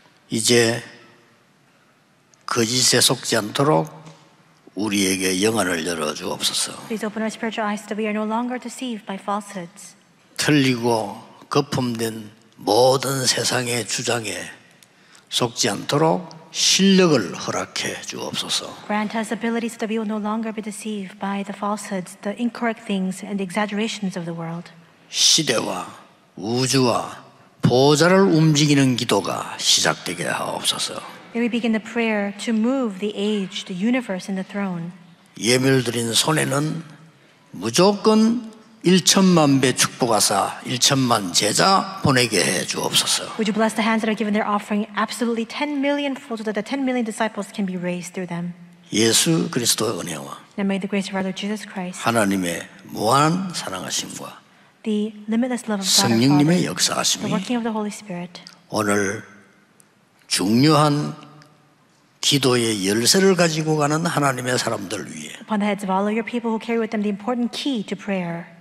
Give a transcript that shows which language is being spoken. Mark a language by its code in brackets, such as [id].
[ko] 이제 거짓에 속지 않도록 우리에게 영안을 열어주옵소서. [en] Please open our spiritual eyes so we are no longer deceived by falsehoods. [ko] 틀리고 거품된 모든 세상의 주장에 속지 않도록 실력을 허락해 주옵소서. [en] Grant us ability so that we will no longer be deceived by the falsehoods, the incorrect things, and the exaggerations of the world. [ko] 시대와 우주와 보좌를 움직이는 기도가 시작되게 하옵소서. [en] May we begin the prayer to move the age, the universe, and the throne. [ko] 예물 드린 손에는 무조건 1천만 배 축복하사 1천만 제자 보내게 해 주옵소서. [en] Would you bless the hands that are giving their offering absolutely 10 million fold so that the 10 million disciples can be raised through them. [ko] 예수 그리스도의 은혜와 [en] And may the grace of our Lord Jesus Christ [ko] 하나님의 무한 사랑하심과 [en] The limitless love of God [ko] 성령님의 역사하심이 [en] The working of the Holy Spirit [ko] 오늘 중요한 기도의 열쇠를 가지고 가는 하나님의 사람들 위해 [en] Upon the heads of all of your people who carry with them the important key to prayer